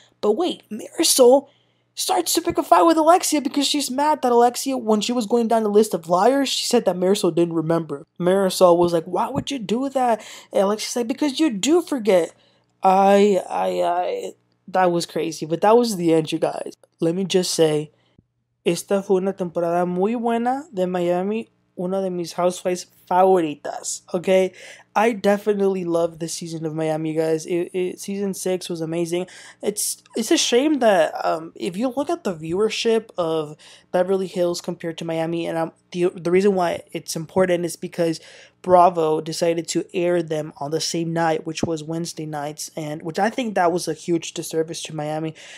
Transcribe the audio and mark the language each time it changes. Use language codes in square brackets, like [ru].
[en] But wait, Marysol starts to pick a fight with Alexia because she's mad that Alexia, when she was going down the list of liars, she said that Marysol didn't remember. Marysol was like, why would you do that? And Alexia's like, because you do forget. That was crazy, but that was the end, you guys. Let me just say, [es] esta fue una temporada muy buena de Miami, una de mis housewives favoritas, okay? [en] I definitely love this season of Miami, guys. Season 6 was amazing. It's a shame that if you look at the viewership of Beverly Hills compared to Miami, and the reason why it's important is because Bravo decided to air them on the same night, which was Wednesday nights, and which I think that was a huge disservice to Miami.